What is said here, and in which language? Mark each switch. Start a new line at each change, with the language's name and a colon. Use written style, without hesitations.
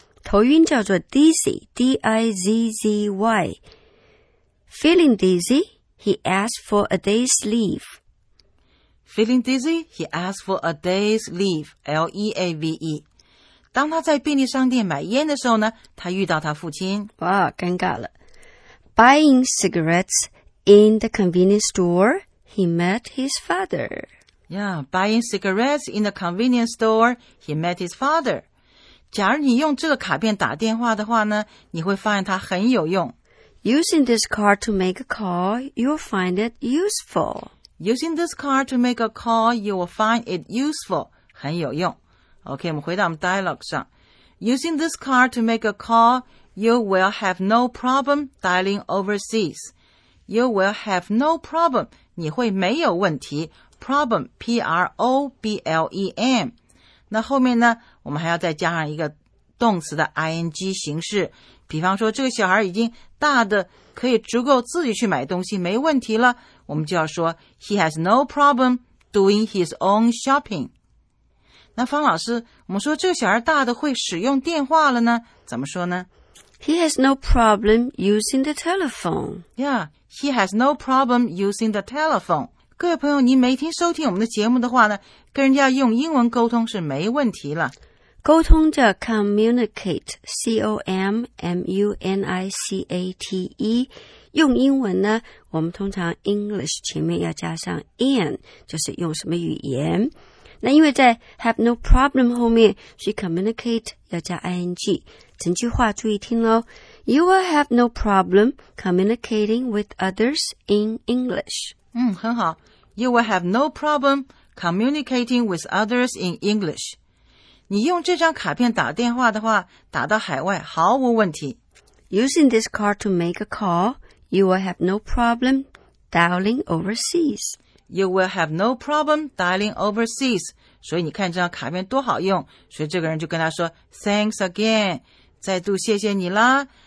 Chinese: 头晕叫做 dizzy, D-I-Z-Z-Y.
English: Feeling dizzy, he asked for a day's leave. Feeling dizzy, he asked for a day's leave, L-E-A-V-E.
Chinese: 当他在便利商店买烟的时候呢，他遇到他父亲。哇，尴尬了。
English: Buying cigarettes in the convenience store, he met his father. Yeah, buying cigarettes in the convenience store, he met his father.
Chinese: 假如你用这个卡片打电话的话呢，你会发现它很有用。
English: Using this card to make a call, you'll find it useful. Using this card to make a call, you will find it useful.
Chinese: 很有用。OK, 我们回到我们 dialogue 上。
English: Using this card to make a call, you will have no problem dialing overseas. You will have no problem.
Chinese: 你会没有问题。 Problem, P-R-O-B-L-E-M. 那后面呢，我们还要再加上一个动词的 ing 形式，比方说这个小孩已经大的可以足够自己去买东西没问题了，我们就要说
English: he has no problem doing his own shopping。
Chinese: 那方老师，我们说这个小孩大的会使用电话了呢，怎么说呢？
English: He has no problem using the telephone. Yeah, he has no problem using the telephone.
Chinese: 各位朋友，您每天收听我们的节目的话呢，跟人家用英文沟通是没问题了。沟通叫 communicate, C-O-M-M-U-N-I-C-A-T-E。用英文呢，我们通常 English 前面要加上 in, 就是用什么语言。那因为在 have no problem 后面，所以 communicate 要加 ing。整句话注意听咯。
English: You will have no problem communicating with others in English.
Chinese: 嗯，很好。
English: You will have no problem communicating with others in English.
Chinese: 你用这张卡片打电话的话，打到海外毫无问题。
English: Using this card to make a call, you will have no problem dialing overseas. You will have no problem dialing overseas.
Chinese: 所以你看这张卡片多好用，所以这个人就跟他说
English: Thanks again,
Chinese: 再度谢谢你啦。